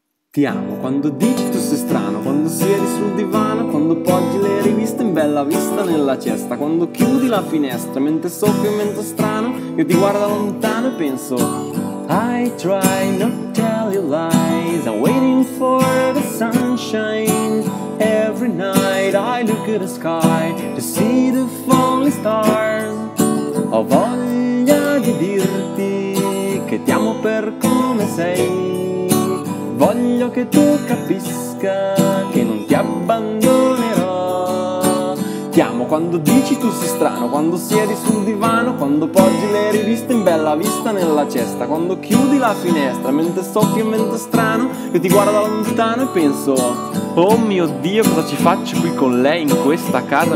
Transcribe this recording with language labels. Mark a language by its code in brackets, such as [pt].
[it] Ti amo quando dici tu sei strano, quando siedi sul divano, quando poggi le riviste in bella vista nella cesta, quando chiudi la finestra mentre soffio un vento strano, io ti guardo lontano e penso [en] I try not to tell you lies, I'm waiting for the sunshine. Every night I look at the sky to see the falling stars. [it] Ho voglia di dirti che ti amo per come sei. Voglio che tu capisca che non ti abbandonerò. Ti amo quando dici tu sei strano, quando siedi sul divano, quando poggi le riviste in bella vista nella cesta, quando chiudi la finestra mentre soffio un vento strano, io ti guardo da lontano e penso oh mio Dio, cosa ci faccio qui con lei in questa casa?